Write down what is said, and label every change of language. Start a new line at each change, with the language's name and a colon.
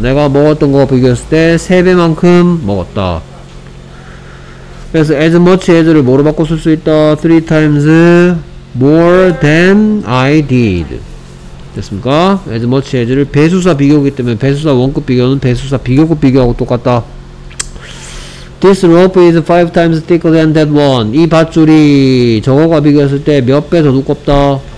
Korean: 내가 먹었던 거 비교했을 때 세 배만큼 먹었다. 그래서 as much as를 뭐로 바꿔 쓸 수 있다?
English: three times more than I did.
Korean: 됐습니까? as much as를 배수사 비교이기 때문에 배수사 원급 비교는 배수사 비교급 비교하고 똑같다.
English: This rope is 5 times thicker than that one.
Korean: 이 밧줄이 저거가 비교했을 때 몇 배 더 두껍다?